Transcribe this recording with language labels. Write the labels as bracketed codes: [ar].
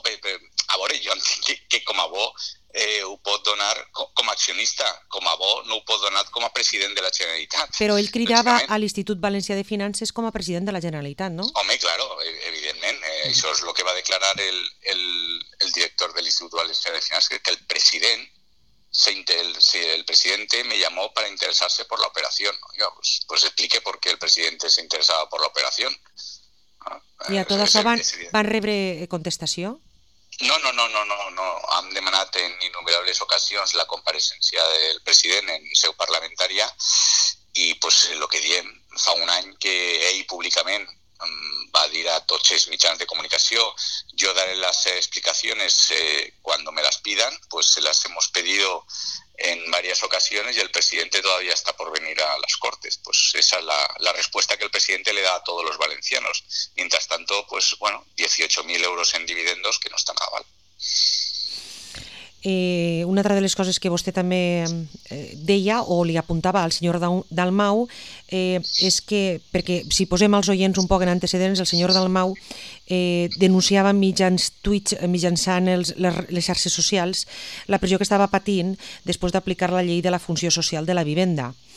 [ca] A veure, jo entenc que com a bo ho pot donar com a accionista, com a bo no ho pot donar com a president de la Generalitat. Però ell cridava a l'Institut Valencià de Finances com a president de la Generalitat, no? Home, claro, evidentment. Això és el que va declarar el director de l'Institut Valencià de Finances, que el president... [es] el presidente me llamó para interesarse por la operación. Yo, pues expliqué por qué el presidente se interesaba por la operación. [ca] I a tot això van rebre contestació? No. Han demanat en innumerables ocasions la compareixença del president en seu parlamentària i, pues, lo que diem, fa un any que ell públicament va dir a tots els mitjans de comunicació, jo daré les explicacions quan me les pidan, [es] pues se les hemos pedido en varias ocasiones y el presidente todavía está por venir a las Cortes. Pues esa es la respuesta que el presidente le da a todos los valencianos. Mientras tanto, pues bueno, 18.000 euros en dividendos que no están a val. [ca] Una altra de les coses que vostè també deia o li apuntava al senyor Dalmau és que, perquè si posem els oients un poc en antecedents, el senyor Dalmau denunciava mitjans tuits, mitjançant les xarxes socials, la pressió que estava patint després d'aplicar la llei de la funció social de la vivenda.